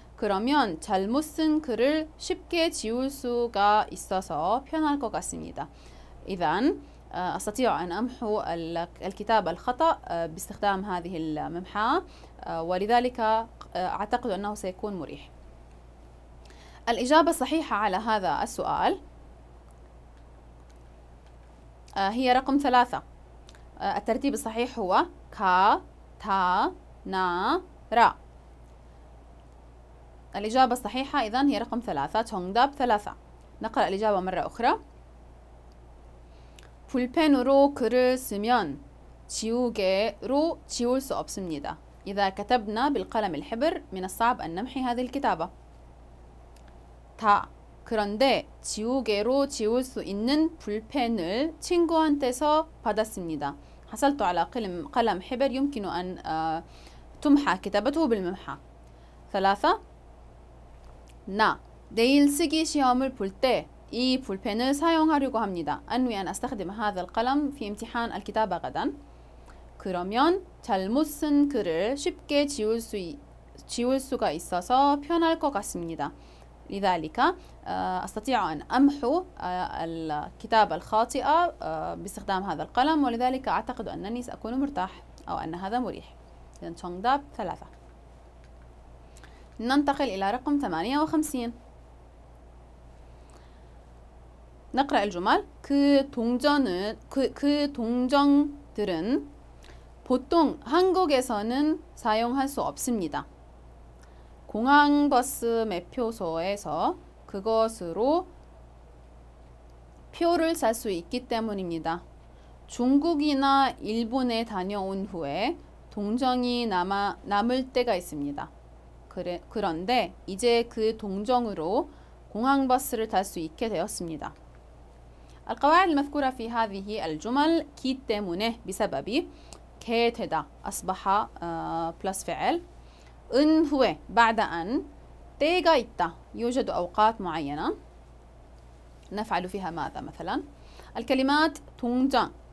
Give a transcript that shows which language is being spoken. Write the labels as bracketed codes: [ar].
[ko] 그러면 잘못 쓴 글을 쉽게 지울 수가 있어서 편할 것 같습니다. [ar] إذن أستطيع أن أمحو الكتاب الخطأ باستخدام هذه الممحى ولذلك أعتقد أنه سيكون مريح. الإجابة الصحيحة على هذا السؤال هي رقم 3. الترتيب الصحيح هو كا تا نا را. الإجابة الصحيحة إذن هي رقم 3. تونغداب 3. نقرأ الإجابة مرة أخرى. [ko] 볼펜으로 글을 쓰면 지우개로 지울 수 없습니다. [ar] إذا كتبنا بالقلم الحبر من الصعب أن نمحي هذه الكتابة. [ko] 다. 그런데 지우개로 지울 수 있는 볼펜을 친구한테서 받았습니다. [ar] حصلت على قلم حبر يمكن أن تمحى كتابته بالممحى. [ko] 3. 나. 내일 쓰기 시험을 볼 때 이 볼펜을 사용하려고 합니다. [ar] أنوي أن أستخدم هذا القلم في امتحان الكتابة غدا. [ko] 그러면 잘못 쓴 글을 쉽게 지울 수가 있어서 편할 것 같습니다. [ar] لذلك أستطيع أن أمحو الكتابة الخاطئة باستخدام هذا القلم ولذلك أعتقد أنني سأكون مرتاح أو أن هذا مريح. إذن تشونغداب 3. ننتقل إلى رقم 58. نقرأ الجمل. [ko] 그 동전들은 보통 한국에서는 사용할 수 없습니다. 공항버스 매표소에서 그것으로 표를 살 수 있기 때문입니다. 중국이나 일본에 다녀온 후에 동전이 남을 때가 있습니다. 그런데 이제 그 동전으로 공항버스를 탈 수 있게 되었습니다. [ar] القواعد المذكورة في هذه الجمل كي 때문에 بسبب كي 되다 أصبح plus فعل إن هو بعد أن تيغا إتا يوجد أوقات معينة نفعل فيها ماذا مثلا الكلمات تونجا